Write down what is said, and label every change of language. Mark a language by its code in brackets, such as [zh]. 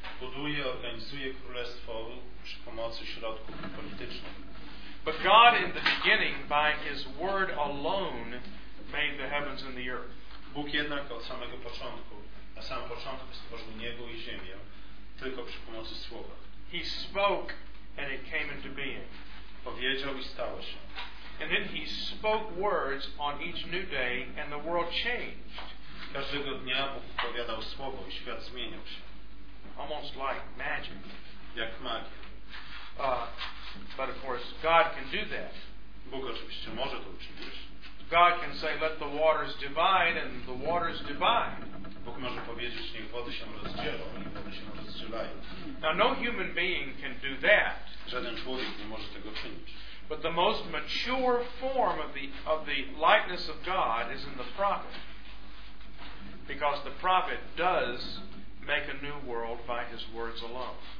[pl] Buduje, organizuje królestwo przy pomocy środków politycznych. [en] But God in the beginning by his word alone made the heavens and the earth. [pl] Bóg jednak od samego początku, na samym początku stworzył niebo i ziemię tylko przy pomocy słowa. [en] He spoke and it came into being. [pl] Powiedział i stało się. [en] And then he spoke words on each new day and the world changed. [pl] Każdego dnia Bóg powiadał słowo i świat zmienił się. [en] Almost like magic. [pl] Jak magia. [en] But of course God can do that. [pl] Bóg oczywiście może to uczynić. [en] God can say, let the waters divide, and the waters divide. [pl] Bóg może powiedzieć, niech wody się rozdzielą, i wody się rozdzielają. [en] Now no human being can do that. [pl] Żaden człowiek nie może tego czynić. [en] But the most mature form of the likeness of God is in the prophet. Because the prophet does make a new world by his words alone.